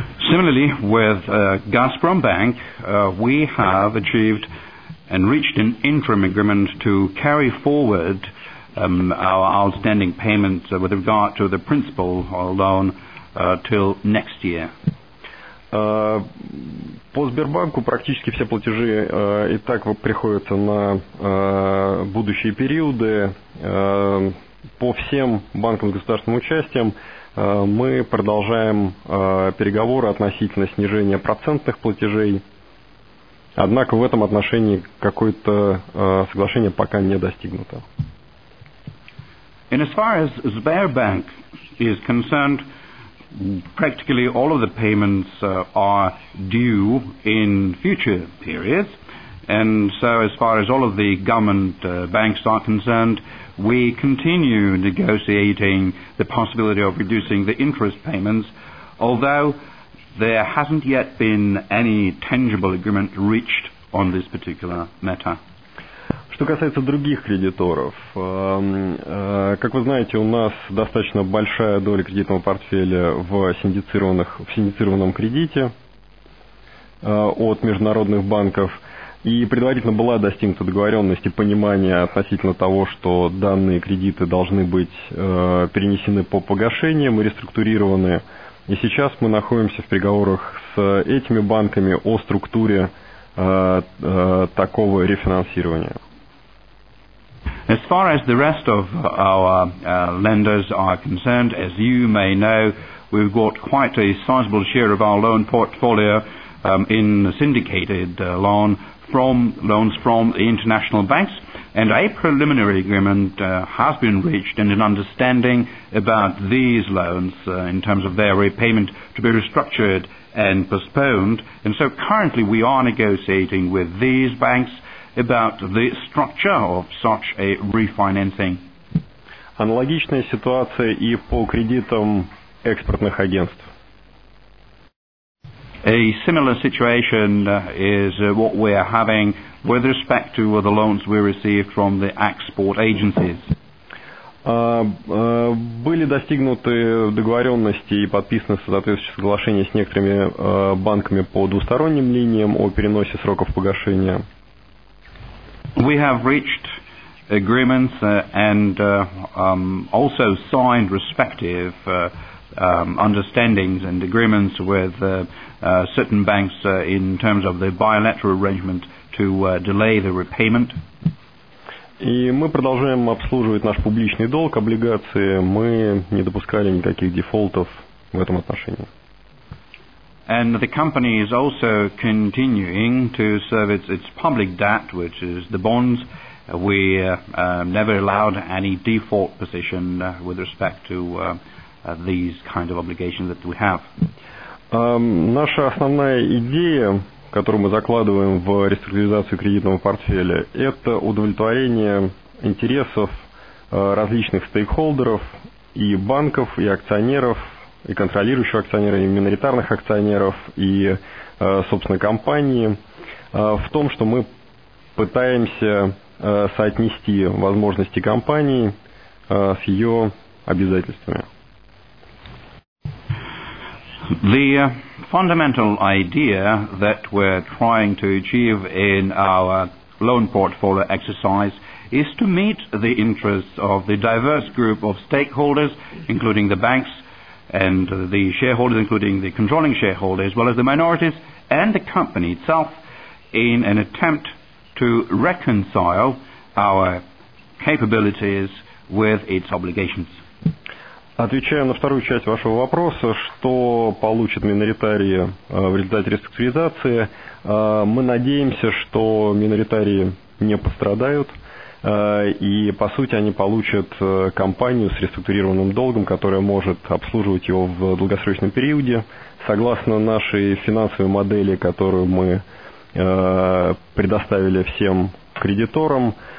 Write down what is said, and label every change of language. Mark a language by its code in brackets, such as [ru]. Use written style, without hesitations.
[en] Similarly, with Gazprom Bank, we have achieved and reached an interim agreement to carry forward our outstanding payments with regard to the principal loan till next year. [ru] По Сбербанку практически все платежи и так приходят на будущие периоды. По всем банкам с государственным участием мы продолжаем переговоры относительно снижения процентных платежей. Однако в этом отношении какое-то соглашение пока не достигнуто. [en] And as far as Sberbank is concerned, practically all of the payments are due in future periods, and so as far as all of the government banks are concerned, we continue negotiating the possibility of reducing the interest payments, although there hasn't yet been any tangible agreement reached on this particular matter. [ru] Что касается других кредиторов, как вы знаете, у нас достаточно большая доля кредитного портфеля в синдицированном кредите от международных банков, и предварительно была достигнута договоренность и понимание относительно того, что данные кредиты должны быть перенесены по погашениям и реструктурированы И сейчас мы находимся в переговорах с этими банками о структуре такого рефинансирования. [en] As far as the rest of our lenders are concerned, as you may know, we've got quite a sizable share of our loan portfolio in syndicated loan from loans from the international banks, and a preliminary agreement has been reached and an understanding about these loans in terms of their repayment to be restructured and postponed. And so currently we are negotiating with these banks about the structure of such a refinancing. [ru] Аналогичная ситуация и по кредитам экспортных агентств. [en] A similar situation is what we are having with respect to the loans we received from the export agencies. [ru] Были достигнуты договоренности и подписаны соответствующие соглашения с некоторыми банками по двусторонним линиям о переносе сроков погашения. [en] We have reached agreements also signed respective understandings and agreements with certain banks in terms of the bilateral arrangement to delay the repayment. [ru] И мы продолжаем обслуживать наш публичный долг, облигации. Мы не допускали никаких дефолтов в этом отношении. [en] And the company is also continuing to service its public debt, which is the bonds. We never allowed any default position with respect to these kind of obligations that we have. [ru] Наша основная идея, которую мы закладываем в реструктуризацию кредитного портфеля, это удовлетворение интересов различных стейкхолдеров и банков, и акционеров, и контролирующих акционеров, и миноритарных акционеров, и собственной компании, в том, что мы пытаемся соотнести возможности компании с ее обязательствами. [en] The fundamental idea that we're trying to achieve in our loan portfolio exercise is to meet the interests of the diverse group of stakeholders, including the banks and the shareholders, including the controlling shareholders, as well as the minorities and the company itself, in an attempt to reconcile our capabilities with its obligations. [ru] Отвечая на вторую часть вашего вопроса, что получит миноритарии в результате реструктуризации, мы надеемся, что миноритарии не пострадают, и по сути они получат компанию с реструктурированным долгом, которая может обслуживать его в долгосрочном периоде, согласно нашей финансовой модели, которую мы предоставили всем кредиторам.